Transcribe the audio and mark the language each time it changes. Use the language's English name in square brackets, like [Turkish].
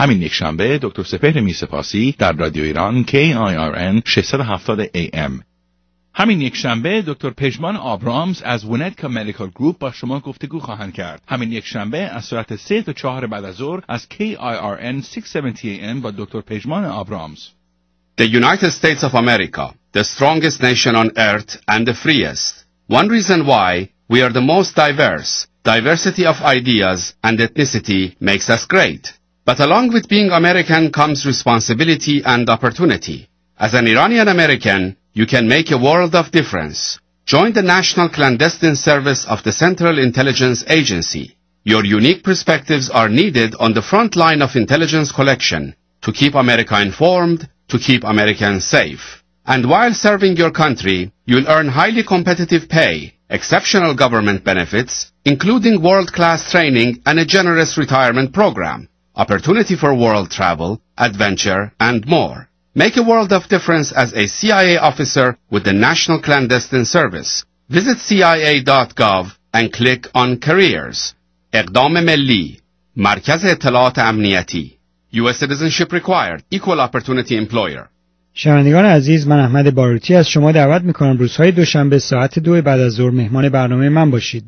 [Persian] همین یک شنبه دکتر سپهر میرسپاسی در رادیو ایران KIRN 670 AM. همین یک شنبه دکتر پژمان آبرامز از وونتکا مدیکال گروپ با شما گفتگو خواهند کرد. همین یک شنبه از ساعت 3 تا 4 بعد از ظهر از KIRN 670 AM با دکتر پژمان آبرامز. [English] The United States of America, the strongest nation on earth and the freest. One reason why we are the most diverse. Diversity of ideas and ethnicity makes us great. But along with being American comes responsibility and opportunity. As an Iranian American, you can make a world of difference. Join the National Clandestine Service of the Central Intelligence Agency. Your unique perspectives are needed on the front line of intelligence collection to keep America informed, to keep Americans safe. And while serving your country, you'll earn highly competitive pay, exceptional government benefits, including world-class training and a generous retirement program, opportunity for world travel, adventure, and more. Make a world of difference as a CIA officer with the National Clandestine Service. Visit CIA.gov and click on Careers. [Persian] اقدام ملی مرکز اطلاعات امنیتی. [English] U.S. citizenship required. Equal opportunity employer. [Persian] شنوندگان عزیز، من احمد باروتی از شما دعوت میکنم روزهای دوشنبه ساعت 2 بعد از ظهر مهمان برنامه من باشید.